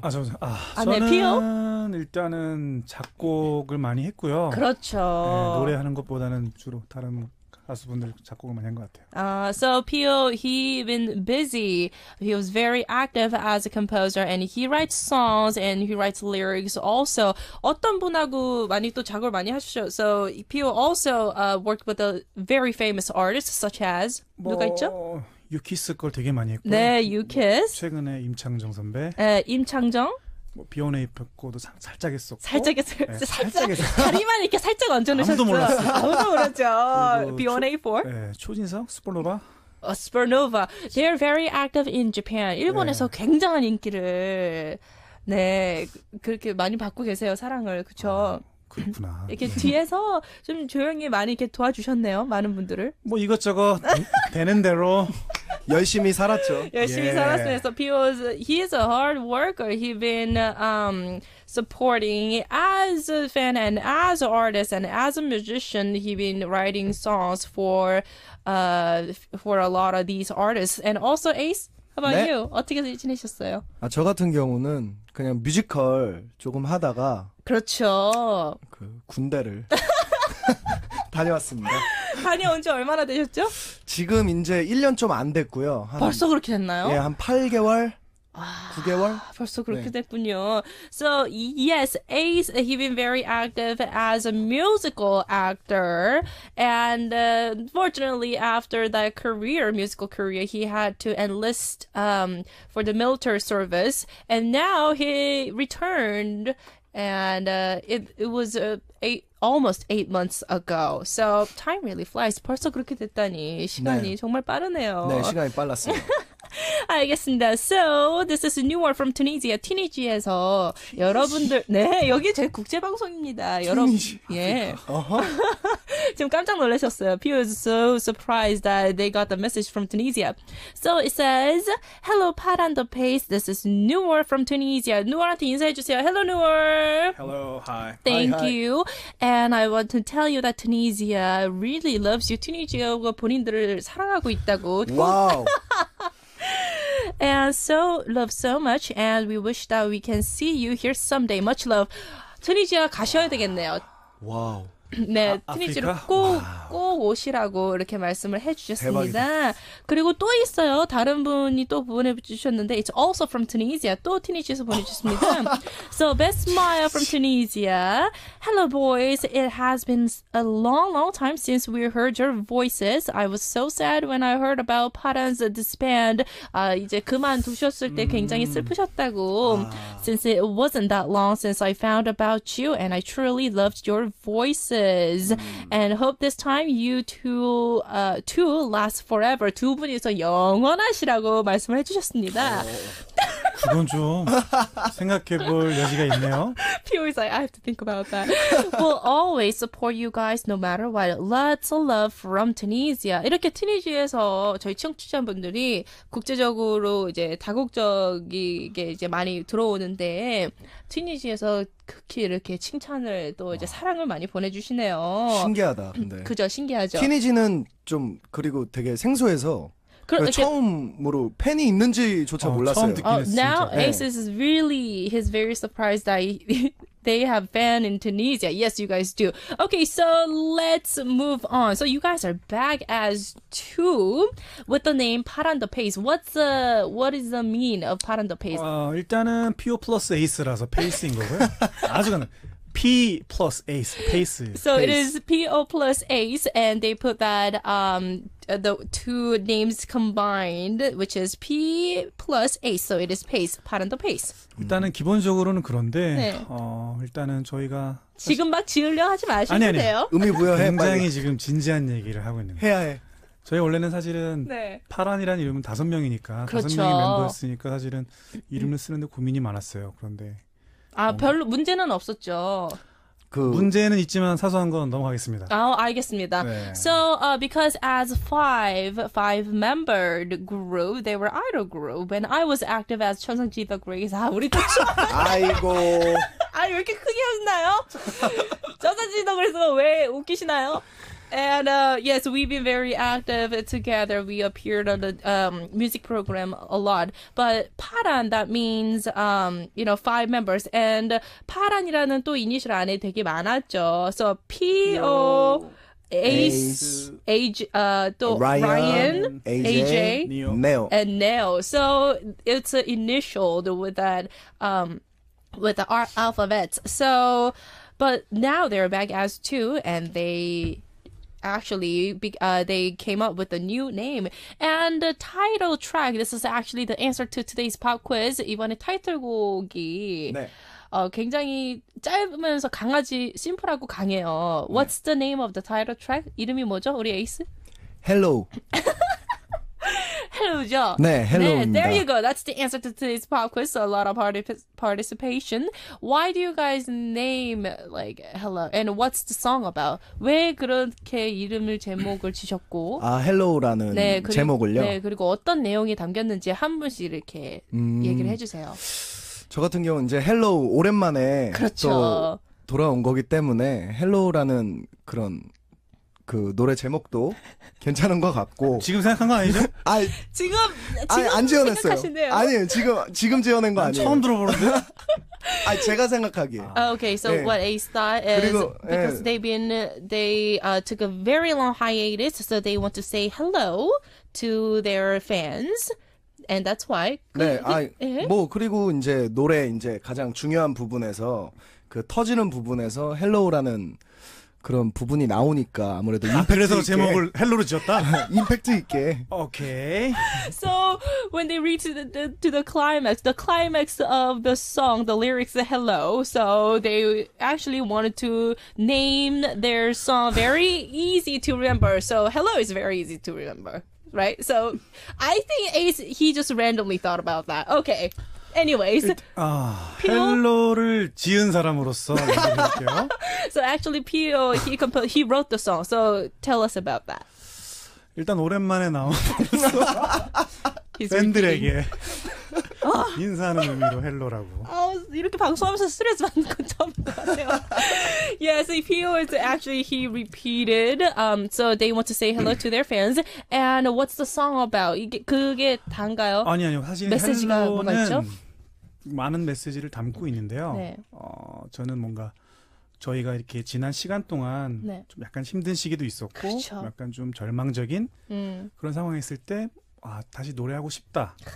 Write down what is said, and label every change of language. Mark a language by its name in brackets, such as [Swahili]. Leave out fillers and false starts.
[Korean] 아 저 저는 일단은 작곡을 많이 했고요. 그렇죠. 네, 노래하는 것보다는 주로 다른 가수분들 작곡을 많이 한 것 같아요. [English] So Pio, he been busy. He was very active as a composer, and he writes songs and he writes lyrics also. [Korean] 어떤 분하고 많이 또 작업을 많이 하셨죠? [English] So Pio also worked with a very famous artist such as [Korean] 뭐... 누가 있죠? 유키스 걸 되게 많이 했고 네, 유키스 최근에 임창정 선배 네, 임창정 뭐 비욘의 입고도 살짝 했었고 살짝 했어요 네, 살짝 했어요 다리만 이렇게 살짝 얹어놓으셨어요 아무도 몰랐어요 아무도 몰랐죠 비욘의 4 네, 초진성, 슈퍼노바 [English] 슈퍼노바 They are very active in Japan [Korean] 일본에서 네. 굉장한 인기를 네, 그렇게 많이 받고 계세요 사랑을, 그쵸? 그렇구나. 이렇게 뒤에서 좀 조용히 많이 이렇게 도와주셨네요. 많은 분들을. 뭐 이것저것 되는 대로 열심히 살았죠. 열심히 예. 살았어요. [English] So he is a hard worker. He's been supporting as a fan and as an artist and as a musician. He's been writing songs for a lot of these artists. And also Ace, how about [Korean] 네? [English] you? [Korean] 어떻게 지내셨어요? 아, 저 같은 경우는 그냥 뮤지컬 조금 하다가 그렇죠. 그 군대를 다녀왔습니다. 다녀온 지 얼마나 되셨죠? 지금 이제 1년 좀 안 됐고요. 한, 벌써 그렇게 됐나요? 예, 한 8개월? 9개월? 아, 벌써 그렇게 네. 됐군요. [English] So, yes, Ace, he's been very active as a musical actor. And fortunately, after that career, musical career, he had to enlist for the military service. And now he returned. And it was almost 8 months ago. So time really flies. [Korean] 벌써 그렇게 됐다니 시간이 네. 정말 빠르네요. 네, 시간이 빨랐어요. 알겠습니다. [English] So this is a new one from Tunisia. [Korean] 튀니지에서 여러분들 네 여기 제 국제 방송입니다. 여러분 예 지금 깜짝 놀라셨어요. [English] Pio is so surprised that they got the message from Tunisia. So it says, "Hello, Paran the Pace. This is Noor from Tunisia." [Korean] Noor한테 인사해 주세요. [English] Hello, Noor. Hello, hi. Thank hi, you. Hi. And I want to tell you that Tunisia really loves you. [Korean] Tunisia가 본인들을 사랑하고 있다고. [English] Wow. And so love so much, and we wish that we can see you here someday. Much love. [Korean] Tunisia 가셔야 되겠네요. [English] Wow. [Korean] 네, 튀니지로 꼭 오시라고 이렇게 말씀을 해주셨습니다. 대박이다. 그리고 또 있어요. 다른 분이 또 보내주셨는데 [English] It's also from Tunisia. [Korean] 또 튀니지에서 보내주셨습니다. [English] So, best smile from Tunisia. Hello, boys. It has been a long, long time since we heard your voices. I was so sad when I heard about Paran's disband. [Korean] 아, 이제 그만두셨을 때 굉장히 슬프셨다고. 아. [English] Since it wasn't that long since I found about you and I truly loved your voice. And hope this time you two last forever. [Korean] 두 분이서 영원하시라고 말씀을 해주셨습니다. 그건 좀 생각해볼 여지가 있네요. [English] Pio is like, I have to think about that. We'll always support you guys no matter what. Lots of love from Tunisia. [Korean] 이렇게 튀니지에서 저희 청취자분들이 국제적으로 이제 다국적이게 이제 많이 들어오는데 튀니지에서 특히 이렇게 칭찬을 또 이제 와. 사랑을 많이 보내주시네요. 신기하다. 근데 그죠, 신기하죠. 튀니지는 좀 그리고 되게 생소해서. 처음으로 팬이 있는지조차 몰랐어요. 처음 듣긴 했어요. [English] Now Ace is really, he's very surprised that they have fan in Tunisia. Yes, you guys do. Okay, so let's move on. So you guys are back as two with the name Paran the Pace. What is the mean of Paran the Pace? [Korean] 일단은 Pio plus Ace라서 Pace인 거고요. 아주 그냥 P plus Ace, Pace. [English] So it is Pio plus Ace, and they put that... the two names combined, which is P plus Ace, so it is Pace, Paran the Pace. [Korean] 일단은 기본적으로는 그런데, 네. 일단은 저희가 지금 막 지으려 하지 마시면 아니, 돼요. 의미 부여해. 굉장히 지금 진지한 얘기를 하고 있는 거예요. 해야 해. 저희 원래는 사실은 네. 파란이라는 이름은 다섯 명이니까 그렇죠. 다섯 명이 멤버였으니까 사실은 이름을 쓰는데 고민이 많았어요. 그런데 별로 문제는 없었죠. 그 문제는 있지만 사소한 건 넘어가겠습니다. 아, 알겠습니다. 네. [English] So, because as five-membered group, they were idol group, and I was active as 천상지 the Grace. [Korean] 아, 우리 또 아이고. 아, 왜 이렇게 크게 했나요? 천상지 웃기시다 그래서 왜 웃기시나요? [English] And yes, we've been very active together. We appeared on the music program a lot. But Paran, that means you know, five members. [Korean] And Paran이라는 또 이니셜 안에 되게 많았죠. [English] So P O Ace, Age, [Korean] 또 [English] Ryan, AJ, Neo, and Neo. So it's initialed with that with the alphabets. So, but now they're back as two, and they. Actually, they came up with a new name and the title track. This is actually the answer to today's pop quiz. [Korean] 이번에 타이틀곡이 네. 굉장히 짧으면서 강하지 심플하고 강해요. [English] What's [Korean] 네. [English] the name of the title track? [Korean] 이름이 뭐죠, 우리 에이스? [English] Hello. [Korean] Hello죠. 네, Hello. 네, [English] there you go. That's the answer to today's pop quiz. So a lot of participation. Why do you guys name like Hello? And what's the song about? [Korean] 왜 그렇게 이름을 제목을 지셨고? 아, Hello라는 네, 그리고, 제목을요. 네, 그리고 어떤 내용이 담겼는지 한 분씩 이렇게 얘기를 해주세요. 저 같은 경우는 이제 Hello 오랜만에 그렇죠. 또 돌아온 거기 때문에 Hello라는 그런. 그 노래 제목도 괜찮은 것 같고 지금 생각한 거 아니죠? 아 지금 아니, 안 지어냈어요. 생각하시네요. 아니 지금 지어낸 거 아니에요. 처음 들어보는데. 아 제가 생각하기에. [English] Okay, so [Korean] 네. [English] what Ace thought is [Korean] 그리고, [English] because 네. they've been they took a very long hiatus, so they want to say hello to their fans, and that's why. [Korean] 네, 아니, 뭐 그리고 이제 노래 이제 가장 중요한 부분에서 그 터지는 부분에서 hello라는 그런 부분이 나오니까 아무래도 아, 그래서 제목을 헬로로 지었다? 임팩트 있게. 오케이. [English] So when they reach the climax of the song, the lyrics are hello. So they actually wanted to name their song very easy to remember. So hello is very easy to remember, right? So I think Ace he just randomly thought about that. Okay. Anyways, [Korean] 아, Hello를 지은 사람으로서 얘기할게요. [English] So actually, P.O. he wrote the song. So tell us about that. [Korean] 일단 오랜만에 나온 팬들에게 인사하는 의미로 Hello라고. 아, 이렇게 방송하면서 스트레스 받는 건 처음인 것 같아요. [English] Yeah, so P.O. is actually he repeated. So they want to say hello to their fans. And what's the song about? [Korean] 이게 그게 단가요? 아니 아니요, 사실 메시지가 뭐가 있죠? 많은 메시지를 담고 있는데요. 네. 저는 뭔가 저희가 이렇게 지난 시간 동안 네. 좀 약간 힘든 시기도 있었고 그렇죠. 약간 좀 절망적인 그런 상황이 있을 때 아, 다시 노래하고 싶다.